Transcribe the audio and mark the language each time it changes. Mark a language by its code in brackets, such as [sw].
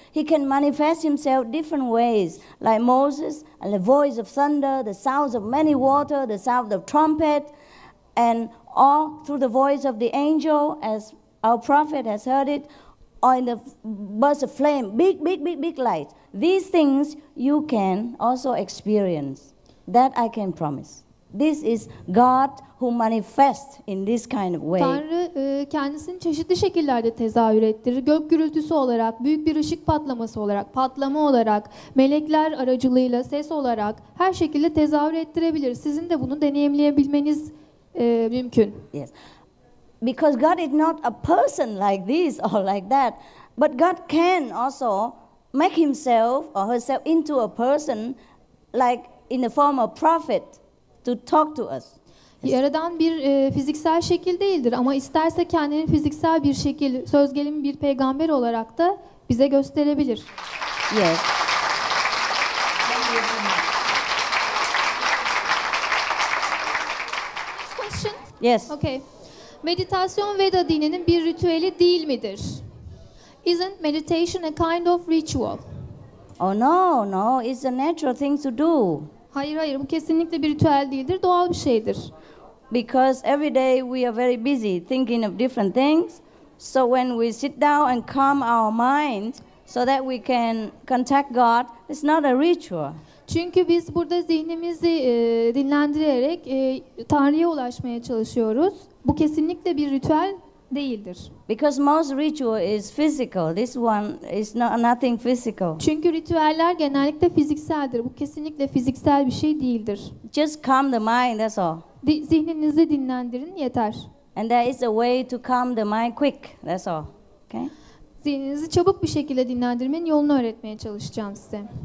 [en] He can manifest himself different ways, like Moses, and the voice of thunder, the sounds of many water, the sound of trumpet, and all through the voice of the angel, as our prophet has heard it, or in the burst of flame, big light. These things you can also experience. That I can promise. This is God who manifests in this kind of way. [tr] Tanrı kendisini çeşitli şekillerde tezahür ettirir. Gök gürültüsü olarak, büyük bir ışık patlaması olarak, patlama olarak, melekler aracılığıyla, ses olarak her şekilde tezahür ettirebilir. Sizin de bunu deneyimleyebilmeniz mümkün. [en] Yes. Because God is not a person like this or like that, but God can also make himself or herself into a person like in the form of prophet to talk to us. [tr] Yaradan bir fiziksel şekil değildir ama isterse kendini fiziksel bir şekil, söz gelimi bir peygamber olarak da bize gösterebilir. [en] Yes. Question? Yes. [tr] Okay. Meditasyon Veda dininin bir ritüeli değil midir? [en] Isn't meditation a kind of ritual? Oh no, it's a natural thing to do. [tr] Hayır hayır, bu kesinlikle bir ritüel değildir, doğal bir şeydir. [en] Because every day we are very busy thinking of different things, so when we sit down and calm our mind so that we can contact God, it's not a ritual. [tr] Çünkü biz burada zihnimizi dinlendirerek Tanrı'ya ulaşmaya çalışıyoruz. Bu kesinlikle bir ritüel değildir. [en] Because most ritual is physical. This one is nothing physical. [tr] Çünkü ritüeller genellikle fizikseldir. Bu kesinlikle fiziksel bir şey değildir. [en] Just calm the mind, that's all. [tr] Zihninizi dinlendirin, yeter. [en] And there is a way to calm the mind quick, that's all. Okay? [tr] Zihninizi çabuk bir şekilde dinlendirmenin yolunu öğretmeye çalışacağım size.